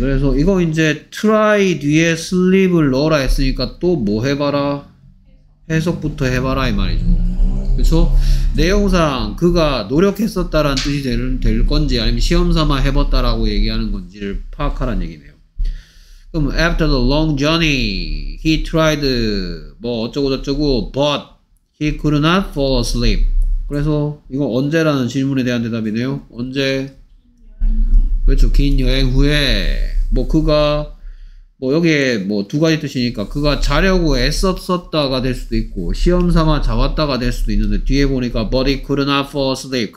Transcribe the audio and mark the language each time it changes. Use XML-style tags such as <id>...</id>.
<ko>그래서 이거 이제 try 뒤에 sleep을 넣어라 했으니까 또 뭐 해봐라? 해석부터 해봐라 이 말이죠. 그렇죠? 내용상 그가 노력했었다라는 뜻이 될 건지 아니면 시험삼아 해봤다라고 얘기하는 건지를 파악하라는 얘기네요.</ko> <en>After the long journey, he tried, 뭐, 어쩌고저쩌고, but he could not fall asleep.</en> <ko>그래서, 이거 언제라는 질문에 대한 대답이네요. 언제? 그렇죠. 긴 여행 후에, 뭐, 그가, 뭐, 여기에 뭐, 두 가지 뜻이니까, 그가 자려고 애썼었다가 될 수도 있고, 시험 삼아 자왔다가 될 수도 있는데, 뒤에 보니까,</ko> <en>but he could not fall asleep.</en>